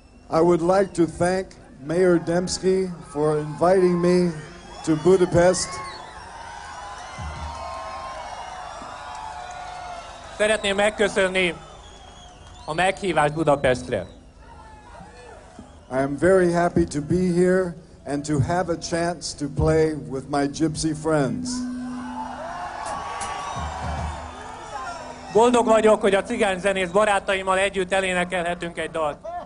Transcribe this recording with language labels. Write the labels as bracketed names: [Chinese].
[English] I would like to thank Mayor Dembski for inviting me to Budapest. [Hungarian] Szeretném megköszönni a meghívást Budapestre. [English] I am very happy to be here and to have a chance to play with my gypsy friends. [Hungarian] Boldog vagyok, hogy a cigány zenész barátaimmal együtt elénekelhetünk egy dalt.